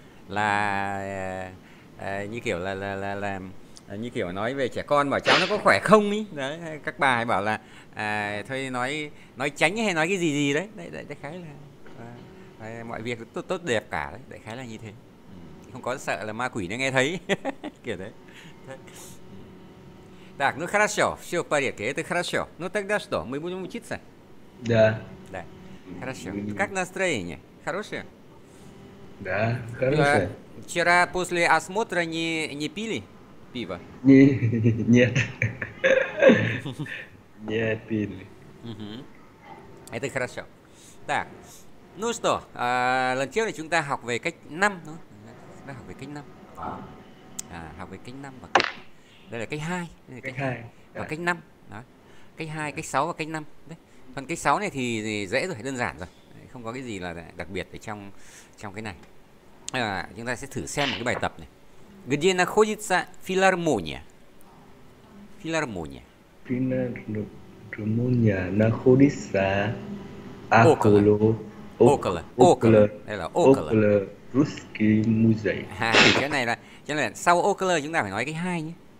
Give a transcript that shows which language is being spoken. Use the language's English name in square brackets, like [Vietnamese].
[Vietnamese] Là như kiểu là như kiểu nói về trẻ con, bảo cháu nó có khỏe không ý đấy, các bà hay bảo là thôi nói tránh hay nói cái gì gì đấy đấy, đại khái là mọi việc tốt tốt đẹp cả đấy, đại khái là như thế, không có sợ là ma quỷ nó nghe thấy kiểu đấy. [Russian] Так, ну хорошо, все в порядке, это хорошо. Ну тогда что, мы будем учиться? Да. Да, хорошо. Как настроение? Хорошее? Да, Пиво? хорошая. Вчера после осмотра не пили пиво? Нет. Нет, пили. Это хорошо. Так, ну что, [Vietnamese] lần trước là chúng ta học về cách 5, đúng không? Học về cách 5. Học về cách 5 và cách... Đây là cách 2. Đây là Cách cách 2. hai. Và cách 5. Đó. Cách 2, cách 6 và cách 5. Đấy. Phần cách 6 này thì dễ rồi, đơn giản rồi. Không có cái gì là đặc biệt ở trong trong cái này. Chúng ta sẽ thử xem một cái bài tập này. [Russian] Где находится филармония? Филармония. Пинарно Румуния находится Около. Около. Около. около [Vietnamese] Đây là около. [Russian] около русский музей. [Vietnamese] Cái này là sau около chúng ta phải nói cái hai nhé.